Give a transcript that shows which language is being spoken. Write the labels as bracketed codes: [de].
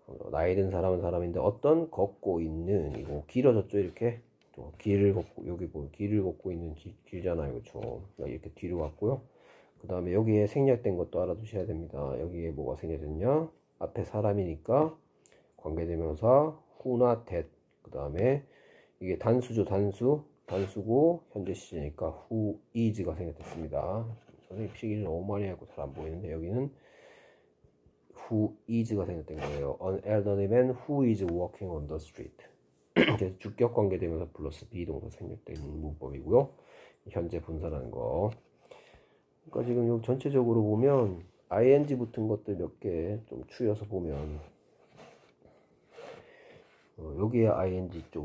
[ko] 나이 든 사람은 사람인데 어떤 걷고 있는 이거 길어졌죠 이렇게 또 길을 걷고 여기 보면 길을 걷고 있는 길잖아요 그렇죠 이렇게 뒤로 갔고요 그 다음에 여기에 생략된 것도 알아두셔야 됩니다 여기에 뭐가 생략됐냐 앞에 사람이니까 관계대명사 who나 that 그 다음에 이게 단수죠 단수고 현재 시제니까 who is가 생략됐습니다 선생님 필기를 너무 많이 하고 잘안 보이는데 여기는 Who is가 생겼던 거예요. [en] An elderly man who is walking on the street. [ko] 그래서 주격 관계되면서 플러스 be 동사 생략된 문법이고요. 현재 분사라는 거. 그러니까 지금 여기 전체적으로 보면 ing 붙은 것들 몇개좀 추려서 보면 여기에 ing 있죠.